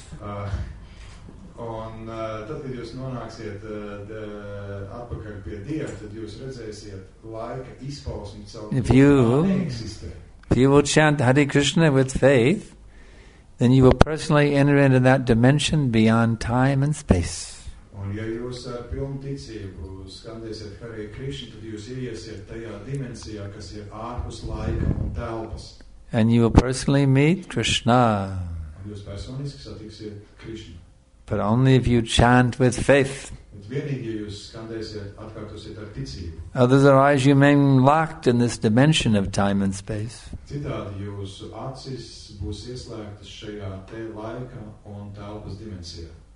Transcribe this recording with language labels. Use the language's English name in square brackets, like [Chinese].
[English] If you will chant Hare Krishna with faith, then you will personally enter into that dimension beyond time and space. [Latvian] Un ja jūs ar pilnu ticību skandēsiet Hare Krishna, tad jūs ieiesiet tajā dimensijā, kas ir ārpus laika un telpas. [English] And you will personally meet Krishna. [Latvian] Un jūs personiski satiksiet Krishna. [English] But only if you chant with faith. [Latvian] Bet vienīgi, ja jūs skandēsiet, atkārtosiet ar ticību. [English] Otherwise you may be locked in this dimension of time and space. [Latvian] Citādi jūsu acis būs ieslēgtas šajā te laika un telpas dimensijā.